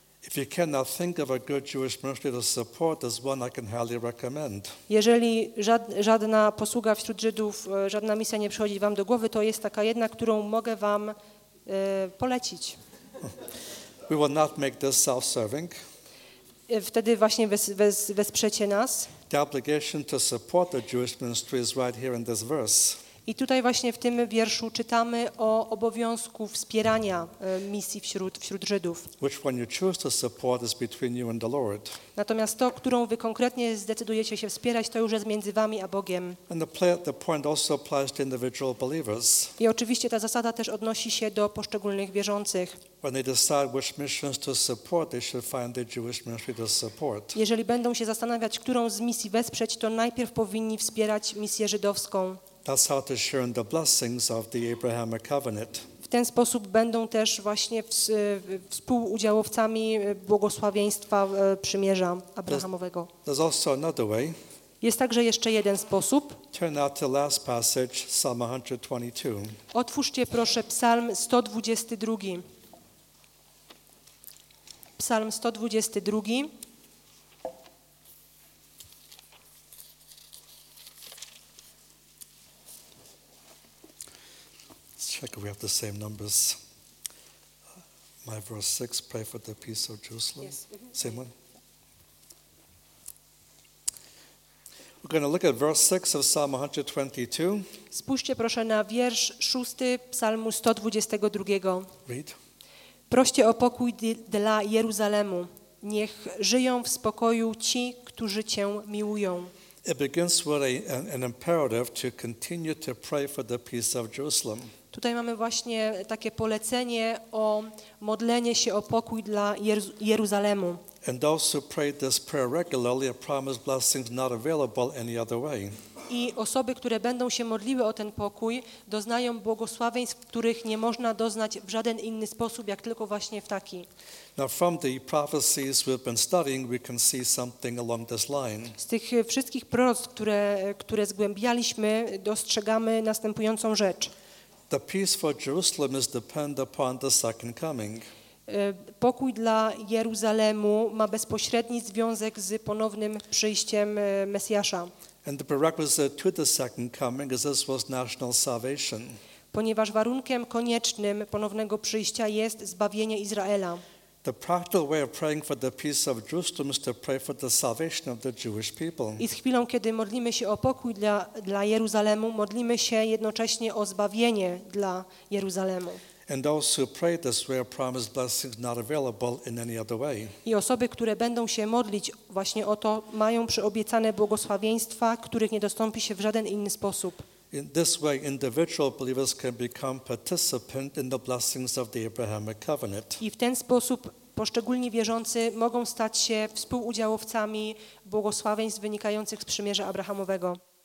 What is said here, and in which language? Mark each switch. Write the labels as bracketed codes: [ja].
[en] If you cannot think of a good Jewish ministry to support, there's one I can highly recommend. [pl] Jeżeli żadna posługa wśród Żydów, żadna misja nie przychodzi wam do głowy, to jest taka jedna, którą mogę wam polecić. [en] We will not make this self-serving. [pl] Wtedy właśnie wesprzecie nas. [en] The obligation to support the Jewish ministry is right here in this verse. [pl] I tutaj właśnie w tym wierszu czytamy o obowiązku wspierania misji wśród Żydów. [en] Which one you choose to support is between you and the Lord. [pl] Natomiast to, którą wy konkretnie zdecydujecie się wspierać, to już jest między wami a Bogiem. [en] And the point also applies to individual believers. [pl] I oczywiście ta zasada też odnosi się do poszczególnych wierzących. [en] When they decide which missions to support, they should find the Jewish ministry to support. [pl] Jeżeli będą się zastanawiać, którą z misji wesprzeć, to najpierw powinni wspierać misję żydowską. [en] That's how to share in the blessings of the Abrahamic covenant. [pl] W ten sposób będą też właśnie współudziałowcami błogosławieństwa przymierza abrahamowego. [en] There's also another way. [pl] Jest także jeszcze jeden sposób. [en] Turn out to last passage, Psalm 122. [pl] Otwórzcie proszę Psalm 122. [en] Psalm 122. Check if we have the same numbers. My verse 6, pray for the peace of Jerusalem. Yes. Mm-hmm. Same one? We're going to look at verse 6 of Psalm 122. [pl] Spójrzcie proszę na wiersz 6 Psalmu 122. [en] Read. [pl] Proście o pokój dla Jeruzalemu. Niech żyją w spokoju ci, którzy Cię miłują. [en] It begins with an imperative to continue to pray for the peace of Jerusalem. [pl] Tutaj mamy właśnie takie polecenie o modlenie się o pokój dla Jeruzalemu. [en] And those who pray this prayer regularly are promised blessings not available any other way. [pl] I osoby, które będą się modliły o ten pokój, doznają błogosławieństw, których nie można doznać w żaden inny sposób, jak tylko właśnie w taki. [en] Now from the prophecies we've been studying, we can see something along this line. [pl] Z tych wszystkich proroctw, które zgłębialiśmy, dostrzegamy następującą rzecz. [en] The peace for Jerusalem is dependent upon the second coming. [pl] Pokój dla Jeruzalemu ma bezpośredni związek z ponownym przyjściem Mesjasza. [en] And the prerequisite to the second coming is Israel's national salvation. [pl] Ponieważ warunkiem koniecznym ponownego przyjścia jest zbawienie Izraela. [en] The practical way of praying for the peace of Jerusalem is to pray for the salvation of the Jewish people. [pl] I z chwilą, kiedy modlimy się o pokój dla Jeruzalemu, modlimy się jednocześnie o zbawienie dla Jeruzalemu. [en] And those who pray this way promise blessings not available in any other way. [pl] I osoby, które będą się modlić właśnie o to, mają przyobiecane błogosławieństwa, których nie dostąpi się w żaden inny sposób. [en] In this way, individual believers can become participant in the blessings of the Abrahamic covenant. [pl] I w ten sposób poszczególni wierzący mogą stać się współudziałowcami błogosławieństw wynikających z przymierza Abrahamowego.